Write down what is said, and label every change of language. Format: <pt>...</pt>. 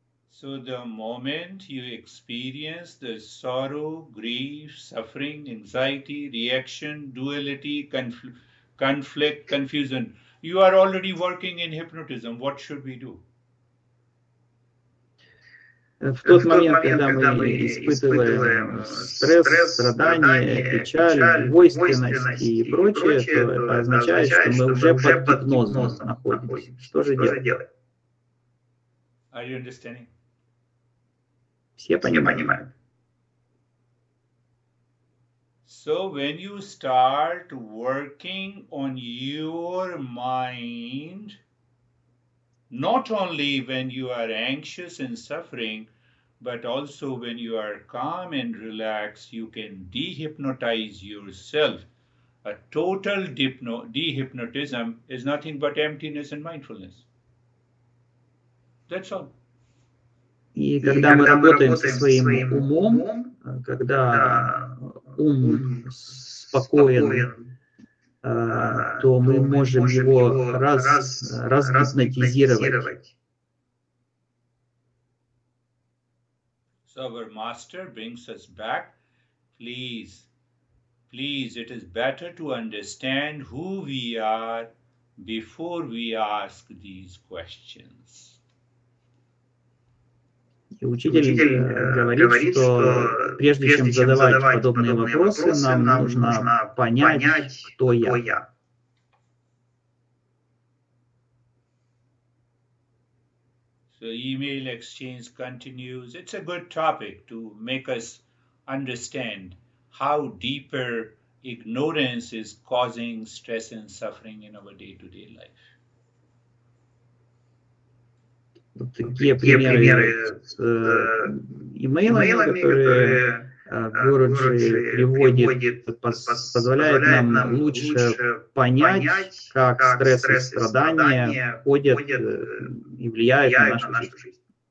<en>So the moment you experience the sorrow, grief, suffering, anxiety, reaction, duality, conflict, confusion, you are already working in hypnotism. What should we do?</en> <ru>В тот момент, когда мы испытываем стресс, страдания, печаль, двойственность и прочее, то это означает, что мы уже под гипнозом находимся. Что же делать?</ru> <en>Are you understanding?</en> <ru>Все понимают.</ru> <en>So when you start working on your mind, not only when you are anxious and suffering, but also when you are calm and relaxed, you can dehypnotize yourself. A total dehypnotism is nothing but emptiness and mindfulness. That's all.</en> <ru>И когда мы работаем со своим умом, когда ум спокоен, то мы можем его разгипнотизировать.</ru> <en>So our master brings us back. Please, please, it is better to understand who we are before we ask these questions.</en> <ru>И учитель говорит, что прежде чем задавать подобные вопросы, нам нужно понять, кто я.</ru> <en>So email exchange continues. It's a good topic to make us understand how deeper ignorance is causing stress and suffering in our day-to-day life.</en> <ru>Такие примеры имейлами, которые Гуруджи приводит, позволяют нам лучше понять, как стресс и страдания входят и влияют на нашу жизнь.</ru>